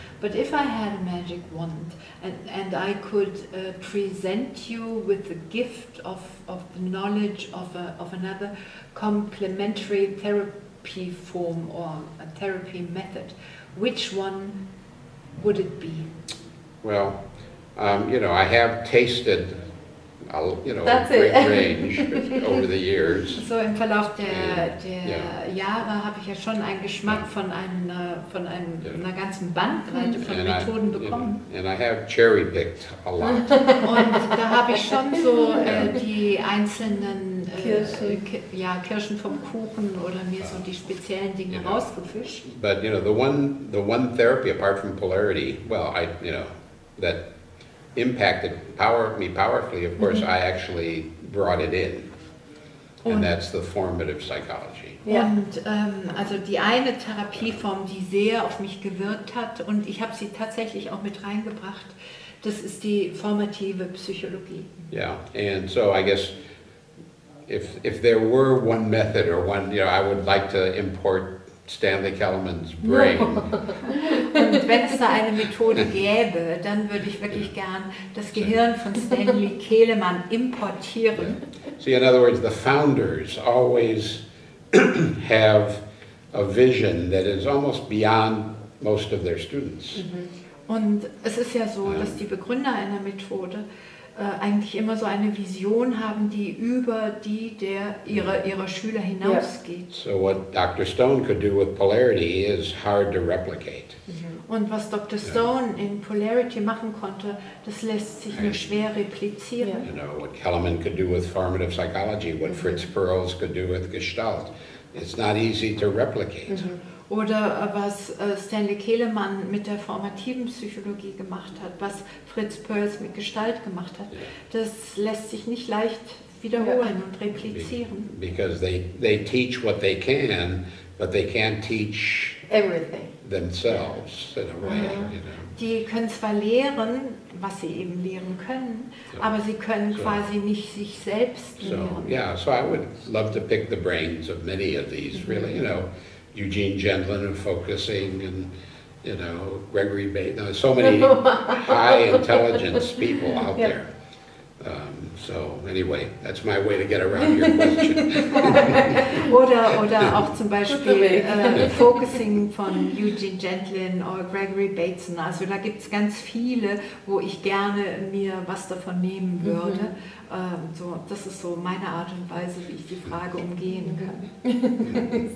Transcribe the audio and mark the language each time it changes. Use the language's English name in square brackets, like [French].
[English] But if I had a magic wand and I could present you with the gift of the knowledge of another complementary therapy form or a therapy method, which one would it be? Well, you know, I have tasted, you know, that's a great range over the years. [German] So im Verlauf der Jahre habe ich ja schon einen Geschmack von einer ganzen Bandbreite von Methoden bekommen. [English] And I have cherry picked a lot. [German] Und da habe ich schon so die einzelnen Kirschen vom Kuchen oder mir so die speziellen Dinge rausgefischt. [English] But you know, the one therapy apart from polarity, well, I, you know, that impacted me powerfully, of course, I actually brought it in. And that's the formative psychology. Yeah. [German] Und also die eine Therapieform, die sehr auf mich gewirkt hat und ich habe sie tatsächlich auch mit reingebracht, das ist die formative Psychologie. [English] Yeah, and so I guess if there were one method or one, you know, I would like to import Stanley Kellerman's brain. [German] Und wenn es da eine Methode gäbe, dann würde ich wirklich gern das Gehirn von Stanley Kellerman importieren. [English] See, in other words, the founders always have a vision that is almost beyond most of their students. [German] Und es ist ja so, dass die Begründer einer Methode eigentlich immer so eine Vision haben, die über die der ihrer Schüler hinausgeht. [English] So what Dr. Stone could do with polarity is hard to replicate. [German] Und was Dr. Stone in Polarity machen konnte, das lässt sich nur schwer replizieren. [English] You know, what Kellerman could do with formative psychology, what Fritz Perls could do with Gestalt. It's not easy to replicate. Mm-hmm. [German] Oder was Stanley Kehlemann mit der formativen Psychologie gemacht hat, was Fritz Perls mit Gestalt gemacht hat, das lässt sich nicht leicht wiederholen und replizieren. [English] Because they teach what they can, but they can't teach everything themselves in a way. Uh-huh. You know. [German] Die können zwar lehren, was sie eben lehren können, aber sie können quasi nicht sich selbst lehren. [English] So I would love to pick the brains of many of these, really, you know. Eugene Gendlin and focusing, and you know, Gregory Bateson. There's so many high intelligence people out there. So anyway, that's my way to get around your question. [German] oder auch zum Beispiel focusing von Eugene Gendlin oder Gregory Bateson. Also da gibt's ganz viele, wo ich gerne mir was davon nehmen würde. Mm-hmm. So, das ist so meine Art und Weise, wie ich die Frage umgehen kann.